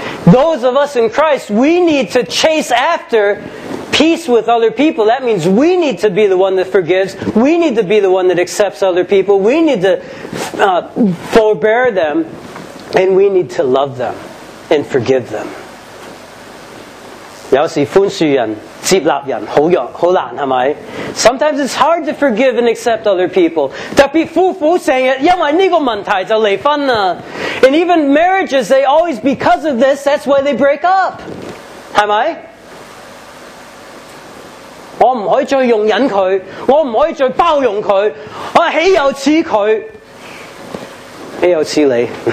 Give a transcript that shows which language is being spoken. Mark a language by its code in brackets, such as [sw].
[en] Those of us in Christ, we need to chase after peace with other people. That means we need to be the one that forgives. We need to be the one that accepts other people. We need to forbear them. And we need to love them and forgive them. [yue] 有时宽恕人、接纳人，好难，系咪？ [en] Sometimes it's hard to forgive and accept other people. [yue] 特别夫妇成日因为这个问题就离婚啊。 [en] And even marriages, they always, because of this, that's why they break up. [yue] 系咪？我唔可以再容忍佢，我唔可以再包容佢，我岂有此佢？岂有此理？